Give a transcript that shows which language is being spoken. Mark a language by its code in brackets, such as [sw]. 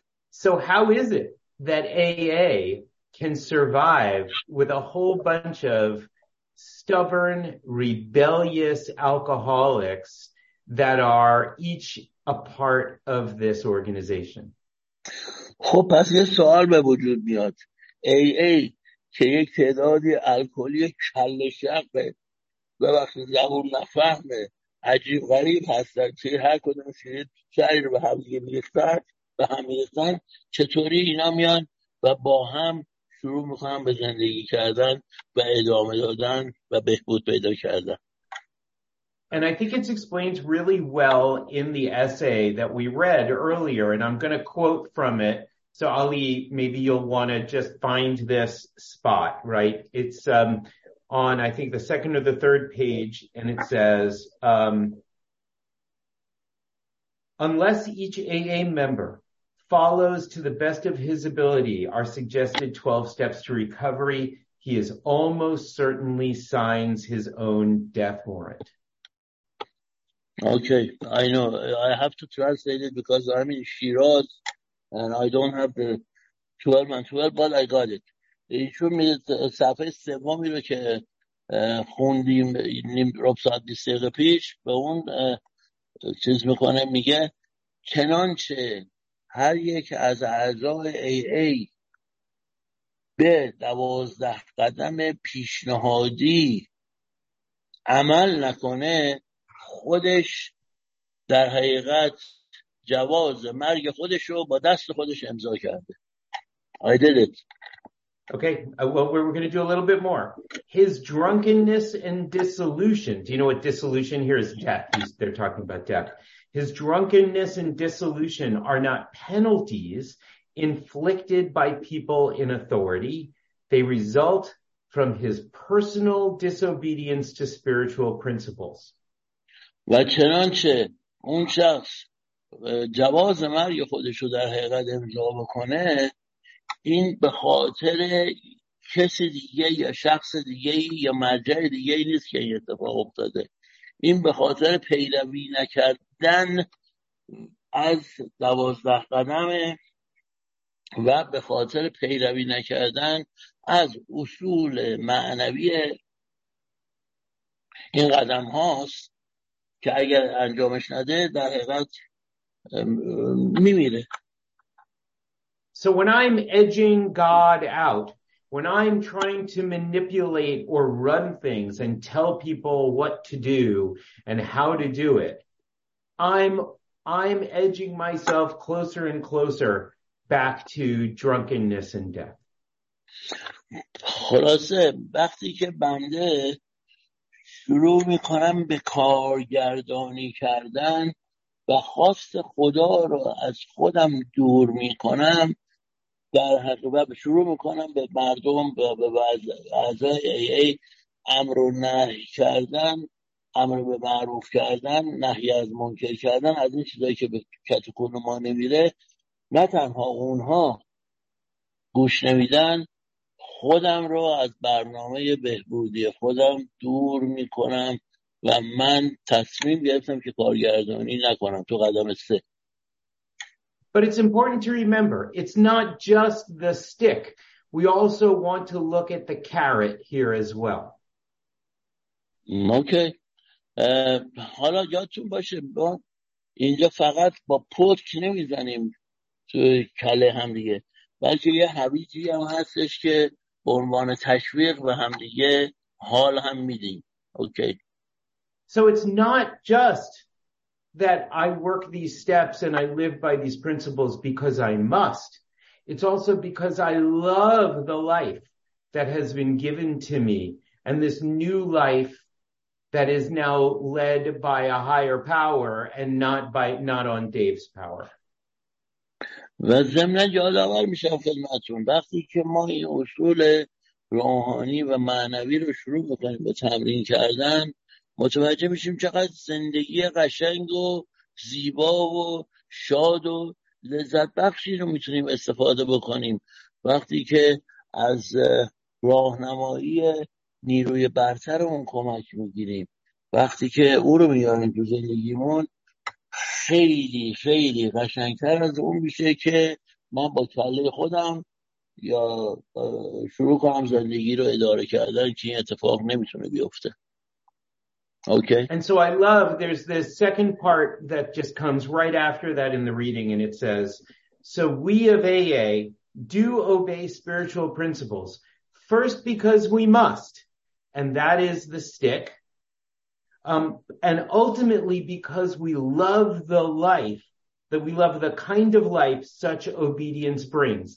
[en] So how is it that AA can survive with a whole bunch of stubborn, rebellious alcoholics that are each a part of this organization? [fa] خب پس یه سوال به وجود میاد. AA که یک تعدادی الکلی کل شقه و وقتی زبون نفهمه عجیب غریب هستن که هر کدوم سری شعری رو به هم دیگه میرسن و هم میرسن چطوری اینا میان و با هم شروع میخوان به زندگی کردن و ادامه دادن و بهبود پیدا کردن. [en] And I think it's explained really well in the essay that we read earlier, and I'm going to quote from it. So Ali, maybe you'll want to just find this spot, right? It's on, I think, the second or the third page, and it says, unless each AA member follows to the best of his ability our suggested 12 steps to recovery, he is almost certainly signs his own death warrant. Okay, I know. I have to translate it because I'm in Shiraz. And I don't have the 12 and 12, but I got it. [fa] ایشون صفحه سومی رو که خوندیم نیم ربع ساعت 20 دقیقه پیش به اون چیز میکنه، میگه چنانچه هر یک از اعضای AA به 12 قدم پیشنهادی عمل نکنه خودش در حقیقت جواز مرگ خودش رو با دست خودش امضا کرده. [en] I did it. Okay, well, we're going to do a little bit more. His drunkenness and dissolution. Do you know what dissolution here is? Death. They're talking about death. His drunkenness and dissolution are not penalties inflicted by people in authority. They result from his personal disobedience to spiritual principles. [fa] و چنانچه اون شخص جواز مرگ خودشو در حقیقت امضا بکنه، این به خاطر کسی دیگه یا شخص دیگه یا مرجع دیگه نیست که این اتفاق افتاده، این به خاطر پیروی نکردن از 12 قدمه و به خاطر پیروی نکردن از اصول معنوی این قدم هاست که اگر انجامش نده در حقیقت میمیره. [en] So when I'm edging God out, when I'm trying to manipulate or run things and tell people what to do and how to do it, I'm edging myself closer and closer back to drunkenness and death. [fa] خلاصه وقتی که بنده شروع میکنم به کارگردانی کردن و خواست خدا رو از خودم دور میکنم، در حقیقت شروع میکنم به مردم و به اعضای ای ای امر و نهی کردن، امر به معروف کردن، نهی از منکر کردن، از این چیزایی که به کتکون ما نمیره، نه تنها اونها گوش نمیدن، خودم رو از برنامه بهبودی خودم دور میکنم و من تصمیم گرفتم که کارگردانی نکنم تو قدم 3. [en] But it's important to remember, it's not just the stick. We also want to look at the carrot here as well. Okay. [fa] حالا یادتون باشه با اینجا فقط با پتک نمیزنیم تو کله هم دیگه، بلکه یه حویجی هم هستش که به عنوان تشویق به هم دیگه حال هم میدیم. [en] Okay. So it's not just that I work these steps and I live by these principles because I must. It's also because I love the life that has been given to me and this new life that is now led by a higher power and not on Dave's power. [fa] و ضمن یادآور میشم خدمتتون وقتی که ما این اصول روحانی و معنوی رو شروع می‌کنیم به تمرین کردن، متوجه میشیم چقدر زندگی قشنگ و زیبا و شاد و لذت بخشی رو میتونیم استفاده بکنیم وقتی که از راهنمایی نیروی برترمون کمک میگیریم، وقتی که او رو میاریم تو زندگیمون، خیلی خیلی قشنگتر از اون میشه که من با کله خودم یا شروع کنم زندگی رو اداره کردن که این اتفاق نمیتونه بیفته. [en] Okay. And so I love, there's this second part that just comes right after that in the reading, and it says, so we of AA do obey spiritual principles, first because we must, and that is the stick, and ultimately because we love the life, that we love the kind of life such obedience brings.